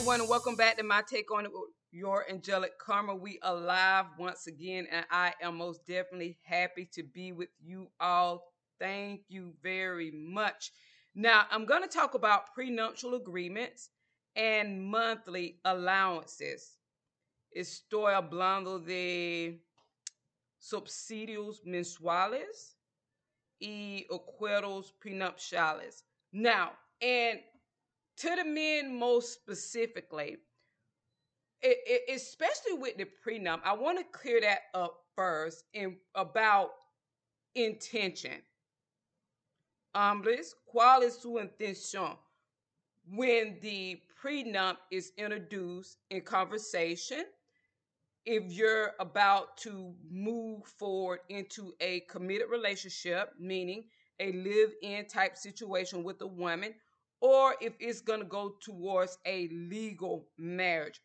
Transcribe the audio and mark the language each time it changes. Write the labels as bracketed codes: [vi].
[en] Welcome back to My Take on It with Your Angelic Karma. We are live once again, and I am most definitely happy to be with you all. Thank you very much. Now, I'm going to talk about prenuptial agreements and monthly allowances. [es] Estoy hablando de subsidios mensuales y acuerdos prenupciales. [en] Now, and to the men most specifically, especially with the prenup, I want to clear that up first and about intention. [es] ¿Cuál es su intención? [en] When the prenup is introduced in conversation, if you're about to move forward into a committed relationship, meaning a live-in type situation with a woman, or if it's going to go towards a legal marriage.